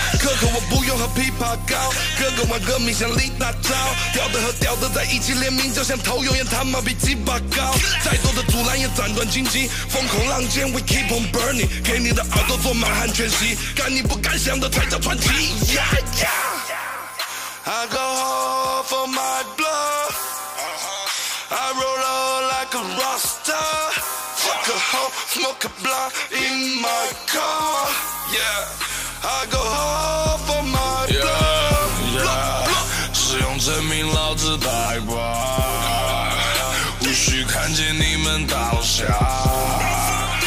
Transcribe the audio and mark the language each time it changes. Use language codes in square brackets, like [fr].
[zh] 哥哥我不用和琵琶膏，哥哥玩歌名像李大钊，屌的和屌的在一起联名，就像头永远他妈比鸡巴高。再多的阻拦也斩断荆棘，风口浪尖 [en] we keep on burning， [zh] 给你的耳朵做满汉全席，敢你不敢想的才叫传奇。 [en] I go home for my blood, I roll up like a rockstar, fuck a hoe, smoke a blunt in my car. Yeah, I go home for my blood, [zh] yeah, 只用证明老子带挂，无需看见你们倒下。